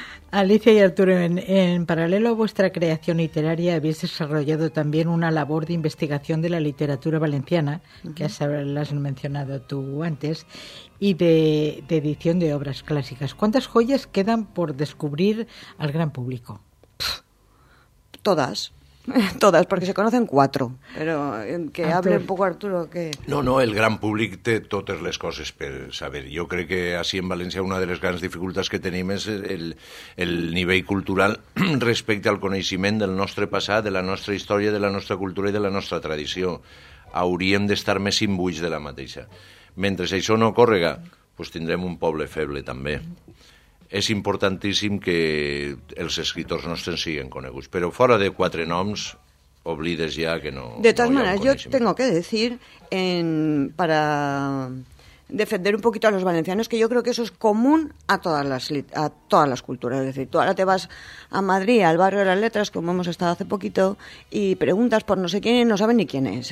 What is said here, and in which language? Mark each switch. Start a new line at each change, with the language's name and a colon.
Spanish: Alicia y Arturo, en paralelo a vuestra creación literaria, habéis desarrollado también una labor de investigación de la literatura valenciana, que has mencionado tú antes, y de edición de obras clásicas. ¿Cuántas joyas quedan por descubrir al gran público? Todas, porque se conocen cuatro, pero que Arturo. Hable un poco Arturo, que...
Catalan: No, el gran públic té totes les coses per saber. Jo crec que així en València una de les grans dificultats que tenim és el nivell cultural respecte al coneixement del nostre passat, de la nostra història, de la nostra cultura i de la nostra tradició. Hauríem d'estar més imbuïts de la mateixa. Mentre això no córrega, pues tindrem un poble feble també. És importantíssim que els escriptors nostres siguin coneguts, però fora de quatre noms, oblides ja que no... De totes maneres, jo
Spanish: tengo que decir, para defender un poquito a los valencianos, que yo creo que eso es común a todas las culturas. Es decir, tú ahora te vas a Madrid, al barrio de las letras, como hemos estado hace poquito, y preguntas por no sé quién y no saben ni quién es.